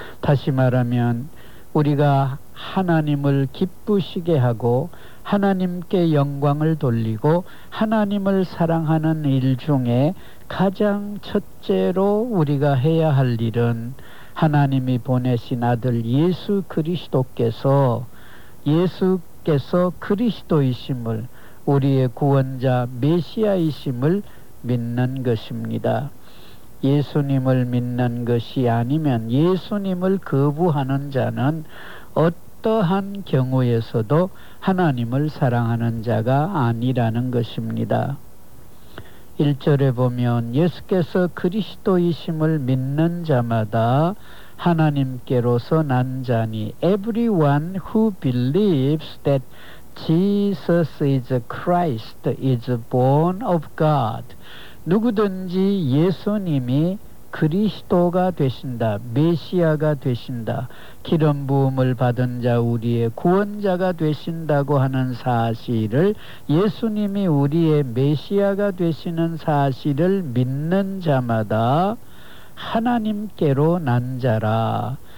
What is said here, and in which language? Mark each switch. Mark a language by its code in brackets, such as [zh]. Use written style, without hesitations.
[ko] 다시 말하면 우리가 하나님을 기쁘시게 하고 하나님께 영광을 돌리고 하나님을 사랑하는 일 중에 가장 첫째로 우리가 해야 할 일은 하나님이 보내신 아들 예수 그리스도께서, 예수께서 그리스도이심을, 우리의 구원자 메시아이심을 믿는 것입니다. 예수님을 믿는 것이 아니면 예수님을 거부하는 자는 어떠한 경우에서도 하나님을 사랑하는 자가 아니라는 것입니다. 1절에 보면 예수께서 그리스도이심을 믿는 자마다 하나님께로서 난 자니, [en] Everyone who believes that Jesus is Christ is born of God. [ko] 누구든지 예수님이 그리스도가 되신다, 메시아가 되신다, 기름 부음을 받은 자, 우리의 구원자가 되신다고 하는 사실을, 예수님이 우리의 메시아가 되시는 사실을 믿는 자마다 하나님께로 난 자라.